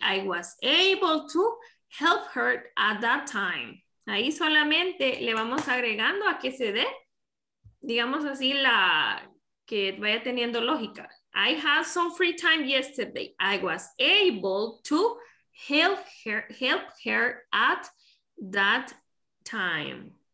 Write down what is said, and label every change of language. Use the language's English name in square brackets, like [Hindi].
[English] I was able to help her at that time. [Spanish] Ahí solamente le vamos agregando a que se dé, digamos así, la que vaya teniendo lógica. [English] I had some free time yesterday. I was able to help her at that time.